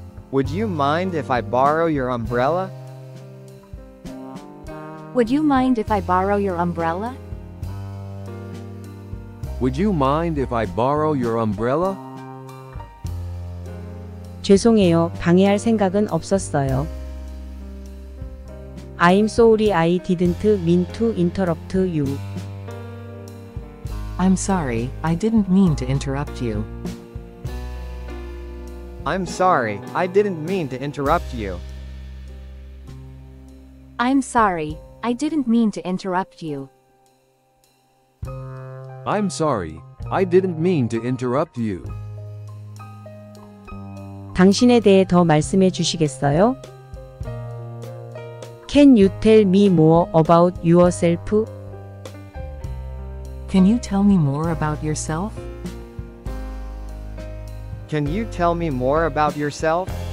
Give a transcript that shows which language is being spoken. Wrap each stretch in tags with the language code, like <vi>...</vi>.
<en>Would you mind if I borrow your umbrella? Would you mind if I borrow your umbrella? Would you mind if I borrow your umbrella?</en> <ko>죄송해요. 방해할 생각은 없었어요.</ko> <en>I'm sorry I didn't mean to interrupt you. I'm sorry, I didn't mean to interrupt you. I'm sorry, I didn't mean to interrupt you. I'm sorry, I didn't mean to interrupt you. I'm sorry, I didn't mean to interrupt you.</en> <ko>당신에 대해 더 말씀해 주시겠어요?</ko> <en>Can you tell me more about yourself? Can you tell me more about yourself? Can you tell me more about yourself?</en>